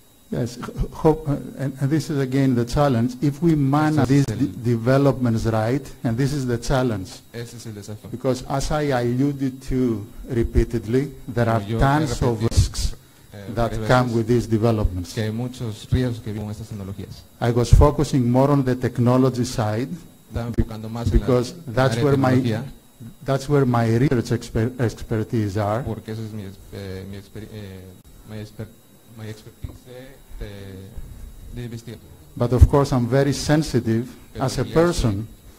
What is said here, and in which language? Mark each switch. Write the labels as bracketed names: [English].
[English] Yes, and this is again the challenge. If we manage these developments right, and this is the challenge. [Spanish] Ese es el desafío. [English] Because as I alluded to repeatedly, there are tons of risks that come with these developments. [Spanish] Que hay muchos riesgos que vienen con estas tecnologías. [English] I was focusing more on the technology side, because that's where my research expertise are. [Spanish] Porque esa es mi expertise. [English] But of course I'm very sensitive as a person